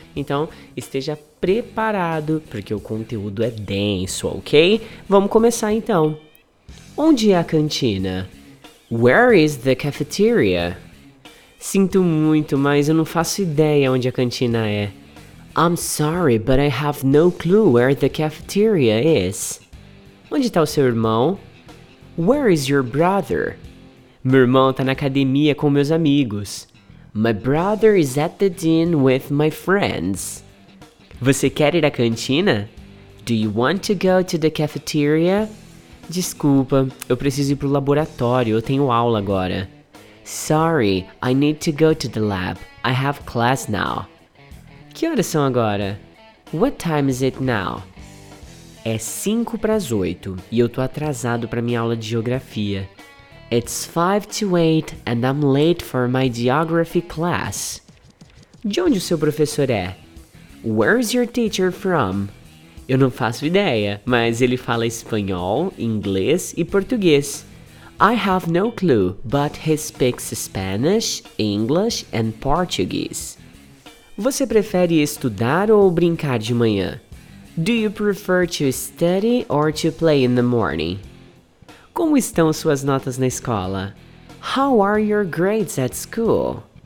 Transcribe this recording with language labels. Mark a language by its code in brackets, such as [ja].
[pt] Então, esteja preparado, porque o conteúdo é denso, ok? Vamos começar então. Onde é a cantina? [en] Where is the cafeteria? [pt] Sinto muito, mas eu não faço ideia onde a cantina é. [en] I'm sorry, but I have no clue where the cafeteria is. [pt] Onde está o seu irmão? [en] Where is your brother? [pt] Meu irmão está na academia com meus amigos. [en] My brother is at the gym with my friends. [pt] Você quer ir à cantina? [en] Do you want to go to the cafeteria? [pt] Desculpa, eu preciso ir pro laboratório, eu tenho aula agora. [en] Sorry, I need to go to the lab. I have class now. [pt] Que horas são agora? [en] What time is it now? [pt] É 5 para as 8 e eu tô atrasado para minha aula de geografia. [en] It's 5 to 8 and I'm late for my geography class. [pt] De onde o seu professor é? [en] Where's your teacher from? [pt] Eu não faço ideia, mas ele fala espanhol, inglês e português. [en] I have no clue, but he speaks Spanish, English and Portuguese. [pt] Você prefere estudar ou brincar de manhã? [en] Do you prefer to study or to play in the morning? [pt] Como estão suas notas na escola? [en] How are your grades at school?